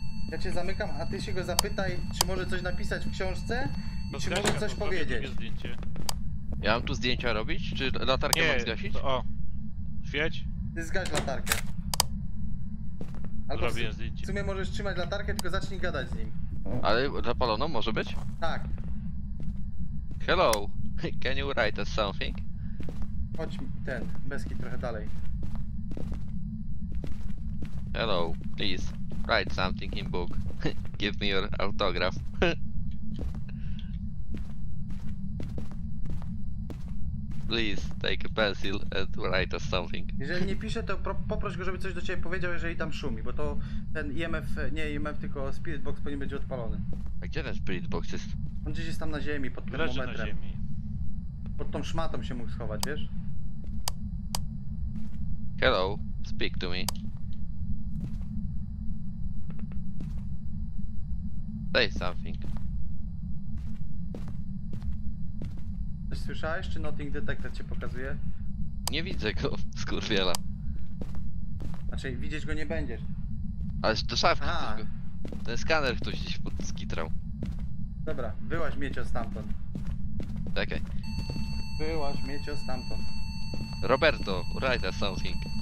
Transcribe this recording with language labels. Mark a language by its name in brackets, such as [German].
[Polish] Ja cię zamykam, a ty się go zapytaj, czy może coś napisać w książce i czy może coś powiedzieć. Ja mam tu zdjęcia robić? Czy latarkę mam zgasić? Nie, o. Świeć? Ty zgaś latarkę. Albo zrobię zdjęcie. W sumie możesz trzymać latarkę, tylko zacznij gadać z nim. Ale zapaloną może być? Tak. [English] Hello, can you write us something? [Polish] Chodź ten, Beskid trochę dalej. [English] Hello, please. Write something in book. Give me your autograph. Please take a pencil and write us something. [Polish] Jeżeli nie pisze, to poproś go, żeby coś do ciebie powiedział, jeżeli tam szumi, bo to ten EMF, nie EMF, tylko Spirit Box powinien będzie odpalony. A gdzie ten Spirit Box jest? On gdzieś jest tam na ziemi, pod termometrem. Pod tą szmatą się mógł schować, wiesz? [English] Hello, speak to me. Say something. [Polish] Coś słyszałeś, czy Nothing Detector cię pokazuje? Nie widzę go, skurwiela. Znaczy, widzieć go nie będziesz. Ale to szafki. Aha. Ten skaner ktoś gdzieś pod skitrał. Dobra, wyłaź miecio stamtąd. Czekaj. Wyłaź miecio stamtąd. [English] Roberto, write us something.